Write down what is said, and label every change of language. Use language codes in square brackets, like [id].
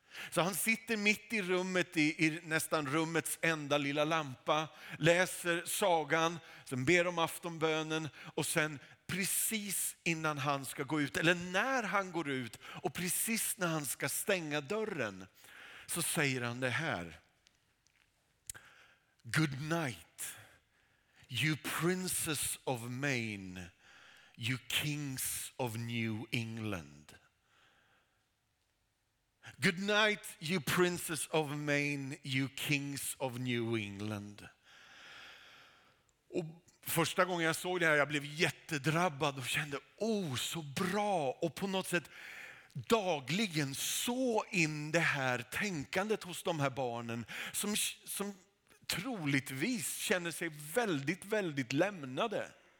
[sv] Så han sitter mitt i rummet i nästan rummets enda lilla lampa, läser sagan, sen ber om aftonbönen och sen precis innan han ska gå ut, eller när han går ut och precis när han ska stänga dörren, så säger han det här. [en] Good night, you princess of Maine, you kings of New England. Good night, you princess of Maine, you kings of New England. [sv] Och första gången jag såg det här, jag blev jättedrabbad och kände, oh, så bra. Och på något sätt dagligen så in det här tänkandet hos de här barnen som troligtvis känner sig väldigt, väldigt lämnade.